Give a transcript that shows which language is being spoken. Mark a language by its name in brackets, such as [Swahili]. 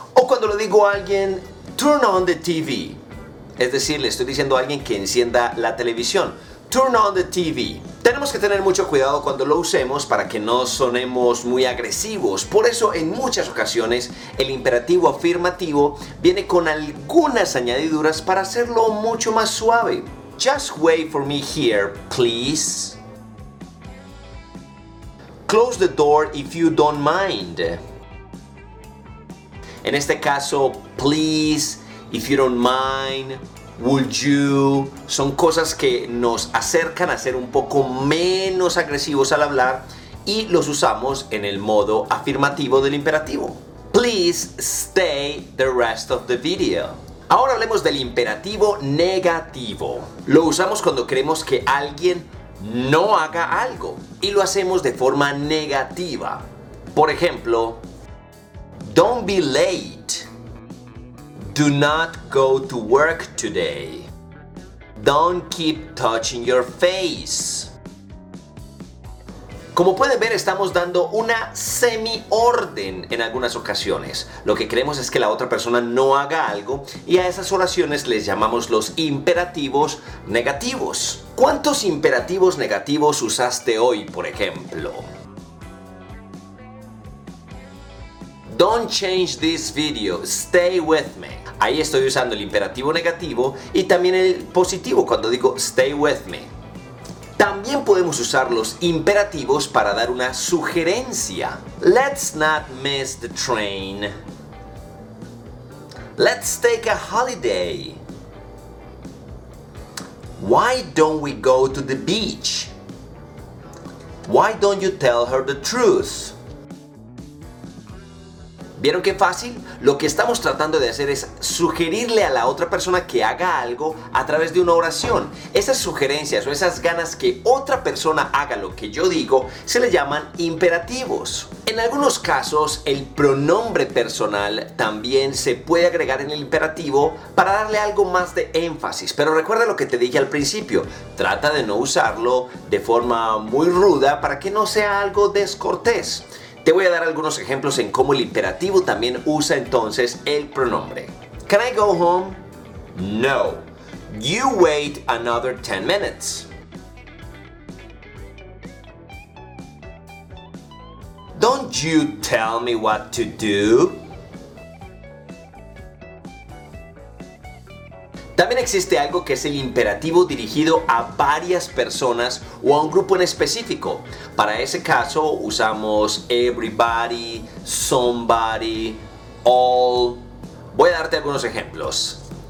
[Spanish] O cuando le digo a alguien [English] turn on the TV. [Spanish] Es decir, le estoy diciendo a alguien que encienda la televisión. [English] Turn on the TV. [Spanish] Tenemos que tener mucho cuidado cuando lo usemos para que no sonemos muy agresivos. Por eso, en muchas ocasiones, el imperativo afirmativo viene con algunas añadiduras para hacerlo mucho más suave. [English] Just wait for me here, please. Close the door if you don't mind. [Spanish] En este caso, [English] please, if you don't mind. Would you? [Spanish] Son cosas que nos acercan a ser un poco menos agresivos al hablar y los usamos en el modo afirmativo del imperativo. [English] Please stay the rest of the video. [Spanish] Ahora hablemos del imperativo negativo. Lo usamos cuando queremos que alguien no haga algo y lo hacemos de forma negativa. Por ejemplo, [English] don't be late. Do not go to work today. Don't keep touching your face. [Spanish] Como pueden ver, estamos dando una semi-orden en algunas ocasiones. Lo que queremos es que la otra persona no haga algo y a esas oraciones les llamamos los imperativos negativos. ¿Cuántos imperativos negativos usaste hoy, por ejemplo? [English] Don't change this video. Stay with me. [Spanish] Ahí estoy usando el imperativo negativo y también el positivo cuando digo [English] stay with me. [Spanish] También podemos usar los imperativos para dar una sugerencia. [English] Let's not miss the train. Let's take a holiday. Why don't we go to the beach? Why don't you tell her the truth? [Spanish] ¿Vieron qué fácil? Lo que estamos tratando de hacer es sugerirle a la otra persona que haga algo a través de una oración. Esas sugerencias o esas ganas que otra persona haga lo que yo digo se le llaman imperativos. En algunos casos, el pronombre personal también se puede agregar en el imperativo para darle algo más de énfasis. Pero recuerda lo que te dije al principio, trata de no usarlo de forma muy ruda para que no sea algo descortés. Te voy a dar algunos ejemplos en cómo el imperativo también usa entonces el pronombre. [English] Can I go home? No. You wait another 10 minutes. Don't you tell me what to do? [Spanish] También existe algo que es el imperativo dirigido a varias personas o a un grupo en específico. Para ese caso usamos everybody, somebody, all. Voy a darte algunos ejemplos.